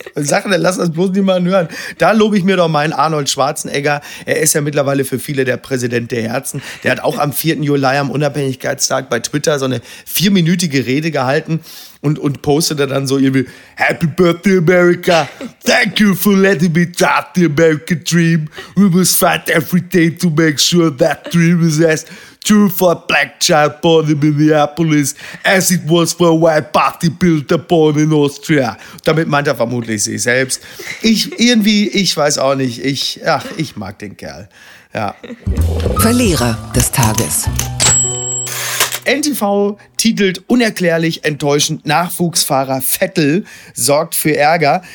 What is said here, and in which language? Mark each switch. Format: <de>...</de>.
<de>Sachen, lass das bloß niemanden hören. Da lobe ich mir doch meinen Arnold Schwarzenegger. Er ist ja mittlerweile für viele der Präsident der Herzen. Der hat auch am 4. Juli am Unabhängigkeitstag bei Twitter so eine vierminütige Rede gehalten und postete dann so irgendwie</de> <en>Happy Birthday America, thank you for letting me start the American dream. We must fight every day to make sure that dream is as true for a black child born in Minneapolis, as it was for a white bodybuilder born in Austria.</en> <de>Damit meint er vermutlich sich selbst. Ich weiß auch nicht. Ich mag den Kerl. Ja. Verlierer des Tages. NTV titelt unerklärlich enttäuschend: Nachwuchsfahrer Vettel sorgt für Ärger.</de>